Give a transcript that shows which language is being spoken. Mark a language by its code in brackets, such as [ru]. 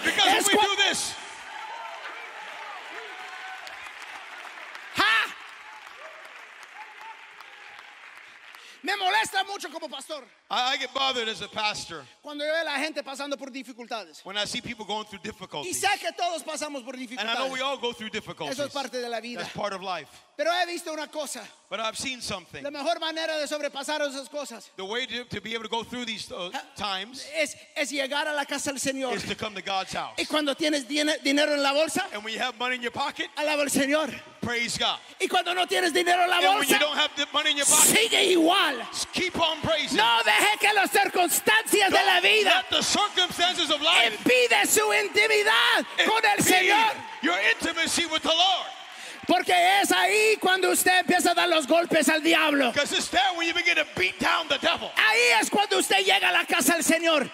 [en] because es when we do this. [es] Me molesta mucho como pastor. [en] I get bothered as a pastor. [es] Cuando yo veo la gente pasando por dificultades. [en] When I see people going through difficulties. [es] Y sé que todos pasamos por dificultades. [en] And I know we all go through difficulties. [es] Eso es parte de la vida. [en] That's part of life. [es] Pero he visto una cosa. [en] But I've seen something. [es] La mejor manera de sobrepasar esas cosas. [en] The way to be able to go through these times. [es] Es llegar a la casa del Señor. [en] Is to come to God's house. [es] Y cuando tienes dinero en la bolsa. [en] And when you have money in your pocket. [es] Alaba al Señor. [en] Praise God. [es] Y cuando no tienes dinero en la bolsa. [en] And when you don't have the money in your pocket. [es] Sigue igual. [en] Keep on praising. [es] No deje que las circunstancias [en] don't [es] de la vida. [en] Let the circumstances of life. [es] Impide su intimidad con el Señor. [en] Your intimacy with the Lord. [es] Porque es ahí cuando usted empieza a dar los golpes al diablo. [en] Because it's there when you begin to beat down the devil. [es] Ahí es cuando usted llega a la casa del Señor.